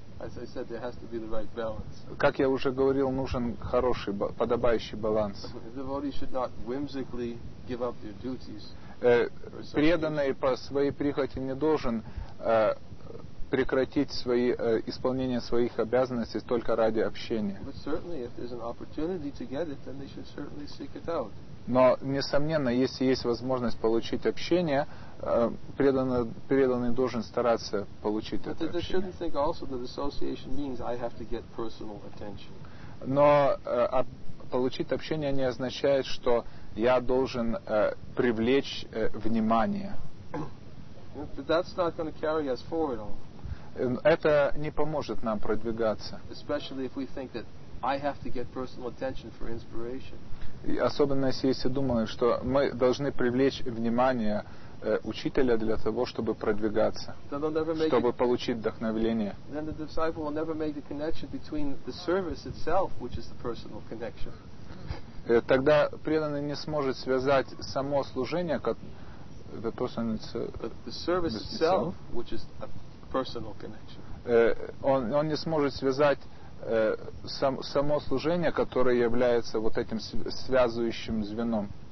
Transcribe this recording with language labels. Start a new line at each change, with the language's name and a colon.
English: As I said, there has to be the right balance.
Russian: Как я уже говорил, нужен хороший, подобающий баланс.
English: Devotees should not whimsically give up their duties.
Russian: Преданный по своей прихоти не должен прекратить свои исполнение своих обязанностей только ради общения.
English: But certainly, if there's an opportunity to get it, then they should certainly seek it out.
Russian: Но, несомненно, если есть возможность получить общение, преданный должен стараться получить это общение.
English: They shouldn't think also that association means I have to get personal attention.
Russian: Но получить общение не означает, что я должен привлечь внимание.
English: But that's not going to carry us forward all.
Russian: Это не поможет нам продвигаться.
English: Especially if we think that I have to get personal attention for inspiration.
Russian: И особенно если думаем, что мы должны привлечь внимание учителя для того, чтобы продвигаться, чтобы получить вдохновение.
English: Then the disciple will never make the connection between the service itself, which is the personal connection.
Russian: Тогда преданный не сможет связать само служение, как
English: the personal. But the service itself, which is a personal connection.
Russian: Он не сможет связать само служение, которое является вот этим связывающим звеном.